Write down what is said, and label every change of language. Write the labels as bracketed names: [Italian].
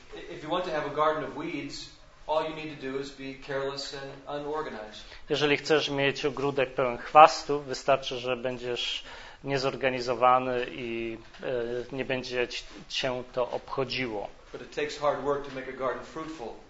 [English] If you want to have a garden of weeds, all you need to do is be careless and unorganized. [Polish] Jeżeli chcesz mieć ogródek pełen chwastów, wystarczy, że będziesz niezorganizowany i nie będzie cię to obchodziło. [English] But it takes hard work to make a garden fruitful.